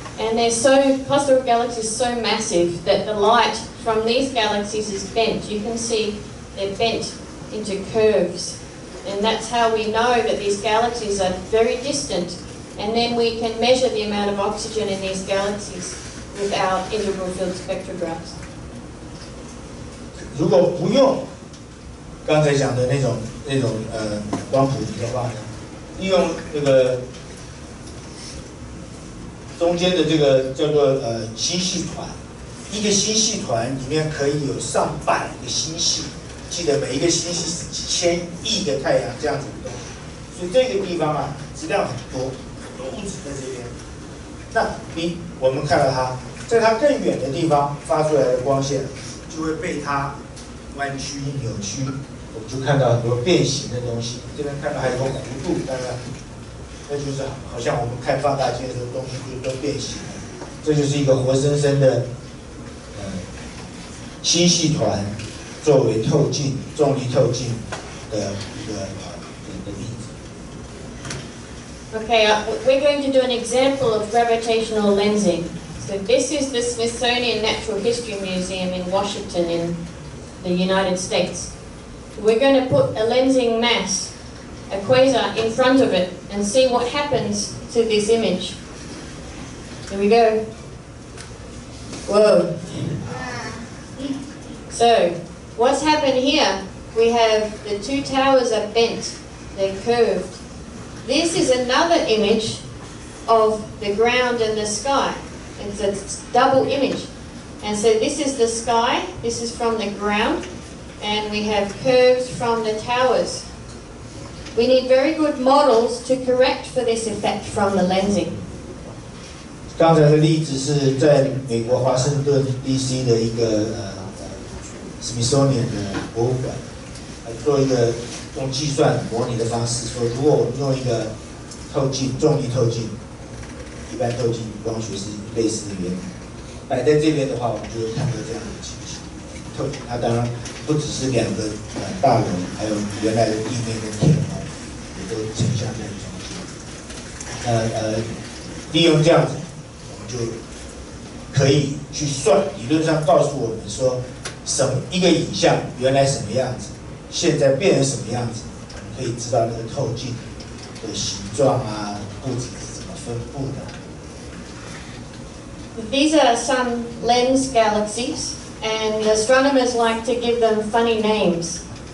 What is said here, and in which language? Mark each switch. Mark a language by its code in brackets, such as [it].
[en] And they're so, cluster of galaxies so massive that the light from these galaxies is bent. You can see they're bent into curves. And that's how we know that these galaxies are very distant. And then we can measure the amount of oxygen in these galaxies with our integral field spectrographs. [zh] 如果不用刚才讲的那种光谱仪的话呢，利用那个中间的这个叫做星系团，一个星系团里面可以有上百个星系，记得每一个星系是几千亿个太阳这样子的东西，所以这个地方啊质量很多，很多物质在这边。那我们看到它，在它更远的地方发出来的光线就会被它弯曲扭曲，我们就看到很多变形的东西。这边看到还有个弧度，大家。那就是好像我们看放大镜的时候，东西就都变形了。这就是一个活生生的星系团作为透镜重力透镜的一个例子。 [en] Okay, we're going to do an example of gravitational lensing. So this is the Smithsonian Natural History Museum in Washington in the United States. We're going to put a lensing mass, a quasar, in front of it and see what happens to this image. Here we go. Whoa. So what's happened here? We have the two towers are bent, they're curved. This is another image of the ground and the sky. It's a double image. And so this is the sky, this is from the ground, and we have curves from the towers. We need very good models to correct for this effect from the lensing. [zh] 刚才的例子是在美国华盛顿 DC 的一个Smithsonian 的博物馆做一个用计算模拟的方式，说如果我们用一个透镜，重力透镜，一般透镜光学是类似的原理，摆在这边的话，我们就会看到这样的情形。透镜它当然不只是两个大楼，还有原来的地面跟天空，也都呈现在中间。利用这样子，我们就可以去算，理论上告诉我们说，什么一个影像原来什么样子。现在变成什么样子，我们可以知道那个透镜的形状啊，物质是怎么分布的。 [en] These are some lens galaxies, and the astronomers like to give them funny names.